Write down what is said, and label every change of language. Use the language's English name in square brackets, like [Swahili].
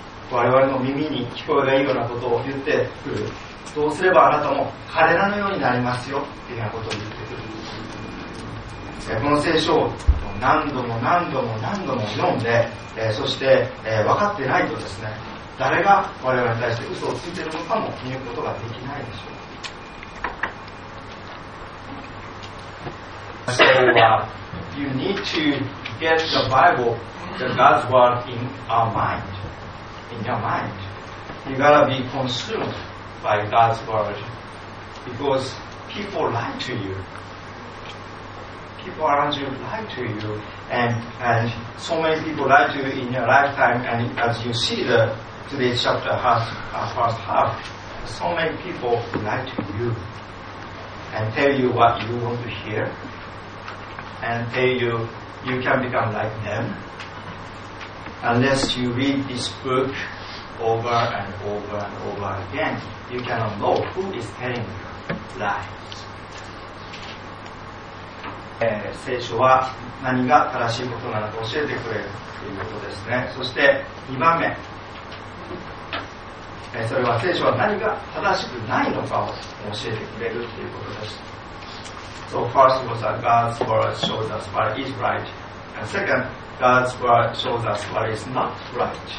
[Japanese] 我々の耳に聞こえがいいようなことを言ってくる。どうすればあなたも彼らのようになりますよっていうようなことを言ってくる。この聖書を何度も何度も何度も読んで、そして分かってないとですね、誰が我々に対して嘘をついているのかも見ることができないでしょう。 [English] So, you need to get the Bible, the God's word in our mind. In your mind, you gotta be consumed by God's word, because people lie to you. People around you lie to you, and so many people lie to you in your lifetime. And as you see the today's chapter first half, so many people lie to you and tell you what you want to hear, and tell you you can become like them. Unless you read this book over and over and over again, you cannot know who is telling you lies. [Japanese] 聖書は何が正しいことなのか教えてくれるということですね。そして2番目、それは聖書は何が正しくないのかを教えてくれるということです。 [English] So first was that God's word shows us what is right, and secondGod's word shows us what is not right.